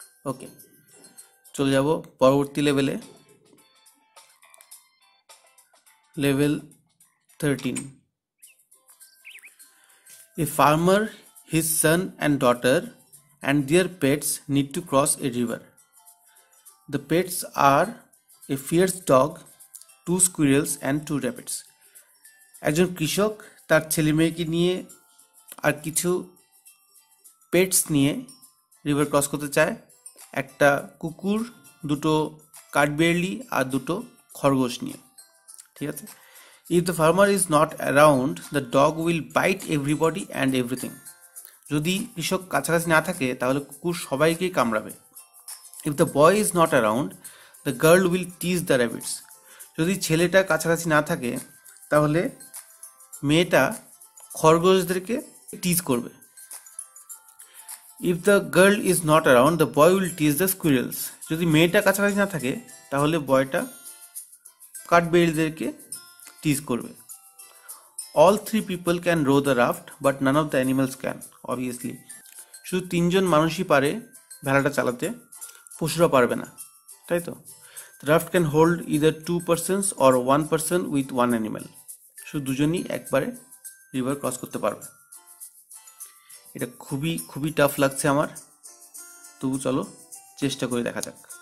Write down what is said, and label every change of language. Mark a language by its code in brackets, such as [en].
[bn] ওকে, চলে যাব পরবর্তী লেভেলে, level 13। [en] A farmer, his son and daughter and their pets need to cross a river. The pets are a fierce dog, two squirrels and two rabbits. [bn] একজন কৃষক তার ছেলে মেয়েকে নিয়ে আর কিছু পেটস নিয়ে রিভার ক্রস করতে চায়, একটা কুকুর, দুটো কাঠবেড়লি আর দুটো খরগোশ নিয়ে, ঠিক আছে। [en] if the farmer is not around the dog will bite everybody and everything, [bn] যদি কৃষক কাছাকাছি না থাকে তাহলে কুকুর সবাইকেই কামড়াবে। [en] If the boy is not around, the girl will tease the rabbits. [bn] যদি ছেলেটা কাছাকাছি না থাকে তাহলে মেয়েটা খরগোশদেরকে টিজ করবে। [en] If the girl is not around, the boy will tease the squirrels. [bn] যদি মেয়েটা কাছাকাছি না থাকে তাহলে বয়টা কাঠবেড়িদেরকে টিজ করবে। [en] All three people can row the raft, but none of the animals can, obviously. [bn] শুধু তিনজন মানুষই পারে ভেড়াটা চালাতে, পশুরা পারবে না, তাই তো। [en] raft can hold either two persons or one person with one animal, [bn] শুধু দুজনই একবারে রিভার ক্রস করতে পারবে। এটা খুবই খুবই টাফ লাগছে আমার, তবু চলো চেষ্টা করে দেখা যাক।